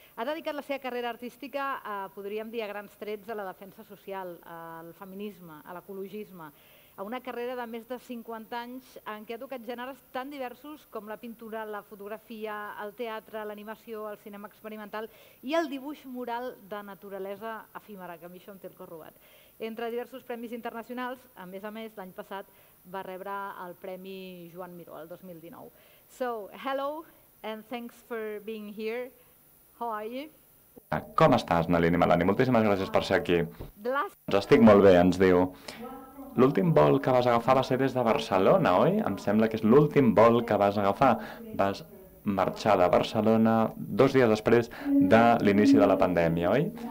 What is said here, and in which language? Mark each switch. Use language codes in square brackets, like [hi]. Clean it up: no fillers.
[ca] Ha dedicat la seva carrera artística, podríem dir, a grans trets, a la defensa social, al feminisme, a l'ecologisme, a una carrera de més de 50 anys en què ha tocat gèneres tan diversos com la pintura, la fotografia, el teatre, l'animació, el cinema experimental i el dibuix mural de naturalesa efímera, que a mi això em té el cor robat. Entre diversos premis internacionals, a més, l'any passat va rebre el premi Joan Miró, el 2019. [en] So, hello and thanks for being here. How are you? [ca] Com estàs, Nalini Malani? Moltíssimes gràcies per ser aquí. Estic molt bé, ens diu. L'últim vol que vas agafar va ser des de Barcelona, oi? Em sembla que és l'últim vol que vas agafar. Vas marxar de Barcelona 2 dies després de l'inici de la pandèmia, oi?